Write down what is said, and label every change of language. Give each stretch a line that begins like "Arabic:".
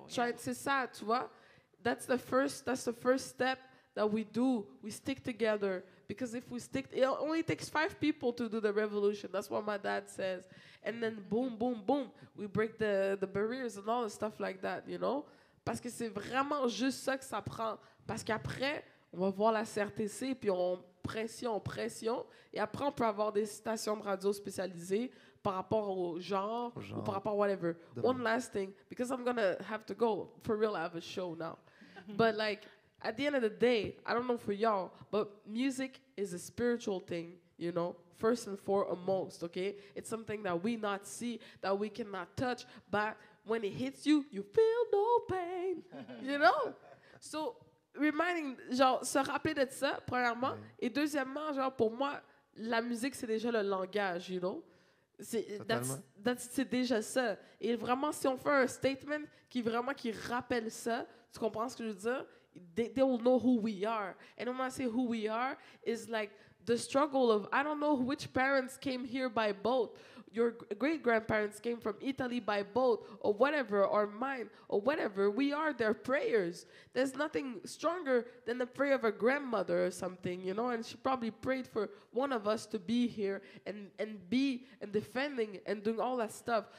French: C'est ça, tu vois?
English: That's the first step that we do. We stick together. Because if we stick, it only takes 5 people to do the revolution. That's what my dad says. And then boom, boom, boom, we break the barriers and all the stuff like that, you know?
French: Parce que c'est vraiment juste ça que ça prend. Parce qu'après, on va voir la CRTC, puis on pression. Et après, on peut avoir des stations de radio spécialisées par rapport au genre ou par rapport à whatever.
English: One last thing, because I'm going to have to go. For real, I have a show now. But like... At the end of the day, I don't know for y'all, but music is a spiritual thing, you know, first and foremost, okay? It's something that we not see, that we cannot touch, but when it hits you, you feel no pain, you know? So, reminding,
French: genre, se rappeler de ça, premièrement, et deuxièmement, genre, pour moi, la musique, c'est déjà le langage, you know? C'est déjà ça. Et vraiment, si on fait un statement qui vraiment qui rappelle ça, tu comprends ce que je veux dire?
English: They will know who we are. And when I say who we are, it's like the struggle of, I don't know which parents came here by boat. Your great-grandparents came from Italy by boat or whatever, or mine or whatever. We are their prayers. There's nothing stronger than the prayer of a grandmother or something, you know, and she probably prayed for one of us to be here and be and defending and doing all that stuff.